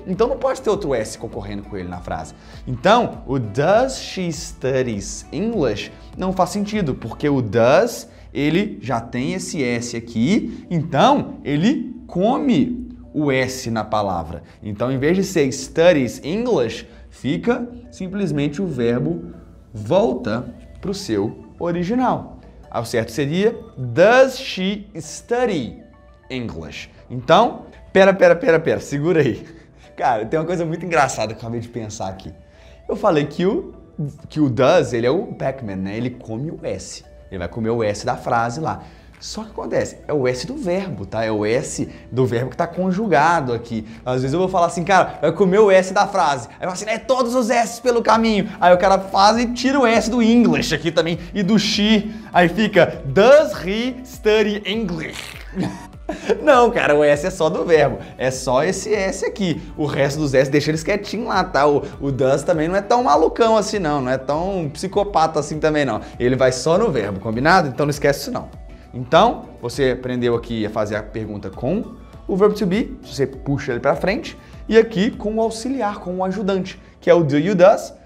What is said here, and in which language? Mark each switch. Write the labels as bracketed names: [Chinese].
[Portuguese] Então, não pode ter outro S concorrendo com ele na frase. Então, o [English] does she studies English [Portuguese] não faz sentido, porque o does, ele já tem esse S aqui. Então, ele come o S na palavra. Então, em vez de ser studies English, fica simplesmente o verbo volta para o seu original. Ao certo seria, [English] does she study English? [Portuguese] Então, pera, segura aí. Cara, tem uma coisa muito engraçada que eu acabei de pensar aqui. Eu falei que o does, ele é o Pac-Man, né? Ele come o S. Ele vai comer o S da frase lá. Só que acontece, é o S do verbo, tá? É o S do verbo que tá conjugado aqui. Às vezes eu vou falar assim, cara, vai comer o S da frase. Aí eu falo assim, é todos os S pelo caminho. Aí o cara faz e tira o S do English aqui também e do she. Aí fica, [English] does he study English? [Portuguese] Não, cara, o S é só do verbo. É só esse S aqui. O resto dos S deixa eles quietinhos lá, tá? O does também não é tão malucão assim, não. Não é tão psicopata assim também, não. Ele vai só no verbo, combinado? Então não esquece isso, não. Então, você aprendeu aqui a fazer a pergunta com o verb to be, você puxa ele pra frente, e aqui com o auxiliar, com o ajudante, que é o do e o does.